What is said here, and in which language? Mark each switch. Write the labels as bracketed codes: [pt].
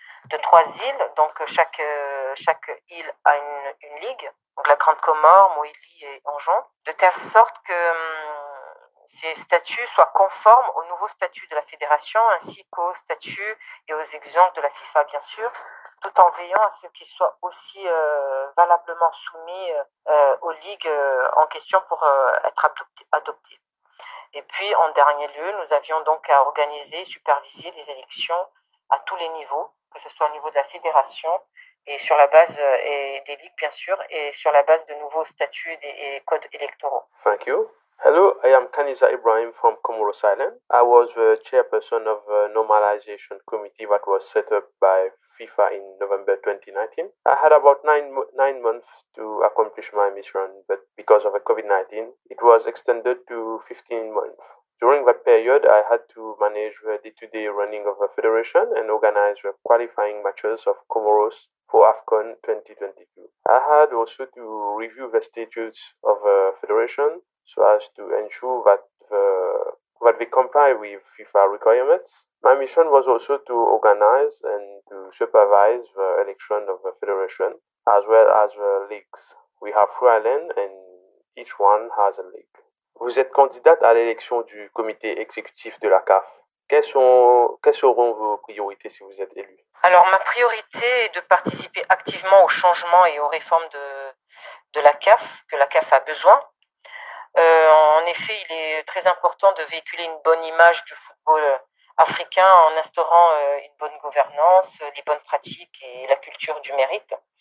[fr] de trois îles, donc chaque île a une ligue, donc la Grande Comore, Moïli et Anjon, de telle sorte que ces statuts soient conformes aux nouveaux statuts de la fédération ainsi qu'aux statuts et aux exigences de la FIFA, bien sûr, tout en veillant à ce qu'ils soient aussi valablement soumis aux ligues en question pour être adoptés. Et puis, en dernier lieu, nous avions donc à organiser et superviser les élections à tous les niveaux, que ce soit au niveau de la fédération et sur la base et des ligues, bien sûr, et sur la base de nouveaux statuts et codes électoraux. [en] Thank you. Hello, I am Kanizat Ibrahim from Comoros Island. I was the chairperson of the normalization committee that was set up by FIFA in November 2019. I had about nine months to accomplish my mission, but because of the COVID-19, it was extended to 15 months. During that period, I had to manage the day-to-day running of the federation and organize the qualifying matches of Comoros for AFCON 2022. I had also to review the statutes of the federation so as to ensure that they comply with FIFA requirements. My mission was also to organize and to supervise the election of the federation as well as the leagues. We have three islands and each one has a league. [fr] Vous êtes candidate à l'élection du comité exécutif de la CAF. Quelles seront vos priorités si vous êtes élue? Alors, ma priorité est de participer activement aux changements et aux réformes de la CAF, que la CAF a besoin. En effet, il est très important de véhiculer une bonne image du football africain en instaurant une bonne gouvernance, les bonnes pratiques et la culture du mérite.